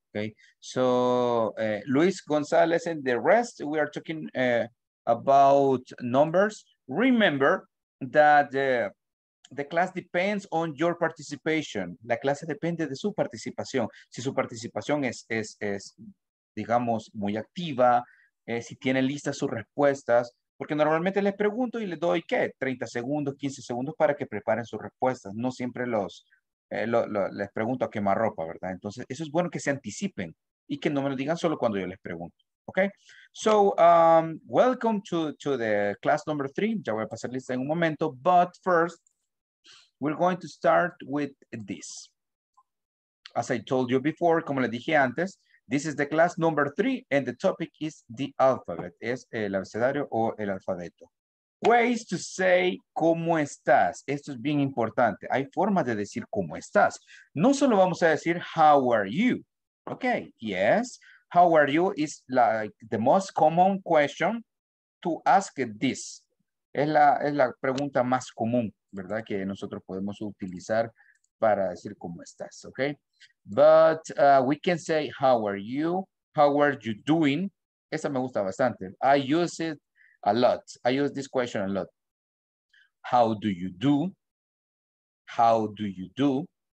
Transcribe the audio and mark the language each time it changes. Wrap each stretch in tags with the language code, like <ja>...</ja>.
<en>Okay, so Luis Gonzalez and the rest, we are talking about numbers. Remember that the class depends on your participation.</en> <es>La clase depende de su participación. Si su participación es digamos, muy activa, si tiene listas sus respuestas, porque normalmente les pregunto y les doy, ¿qué? 30 segundos, 15 segundos para que preparen sus respuestas. No siempre les pregunto a quemarropa, ¿verdad? Entonces, eso es bueno que se anticipen y que no me lo digan solo cuando yo les pregunto.</es> <en>Okay, so welcome to the class number 3.</en> <es>Ya voy a pasar lista en un momento,</es> <en>but first we're going to start with this. As I told you before,</en> <es>como le dije antes,</es> <en>this is the class number 3 and the topic is the alphabet.</en> <es>Es el abecedario o el alfabeto.</es> <en>Ways to say</en> <es>cómo estás. Esto es bien importante. Hay formas de decir cómo estás. No solo vamos a decir</es> <en>how are you. Okay, yes. How are you is like the most common question to ask this.</en> <es>Es la pregunta más común, ¿verdad? Que nosotros podemos utilizar para decir cómo estás, okay?</es> <en>But we can say, how are you? How are you doing?</en> <es>Esa me gusta bastante.</es> <en>I use it a lot. I use this question a lot. How do you do? How do you do?</en>